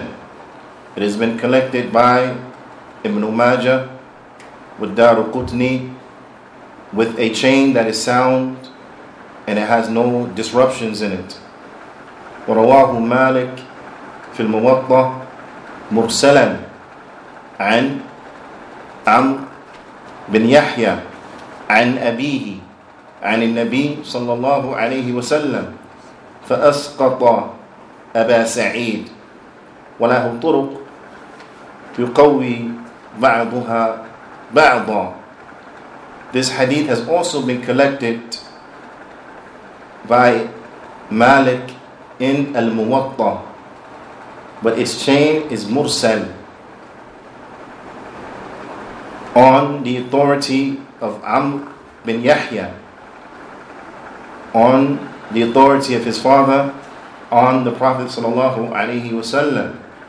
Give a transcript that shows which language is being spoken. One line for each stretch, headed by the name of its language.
English: It has been collected by Ibn Majah with Daruqutni with a chain that is sound and it has no disruptions in it.
Arabic: ورواه مالك في الموطأ مرسلا عن عمرو بن يحيى عن أبيه عن النبي صلى الله عليه وسلم فأسقط أبا سعيد وله طرق يقوي بعضها بعضا.
English: This hadith has also been collected by Malik in Al-Muwatta, but its chain is Mursal on the authority of Amr bin Yahya, on the authority of his father, on the Prophet sallallahu alayhi wa sallam.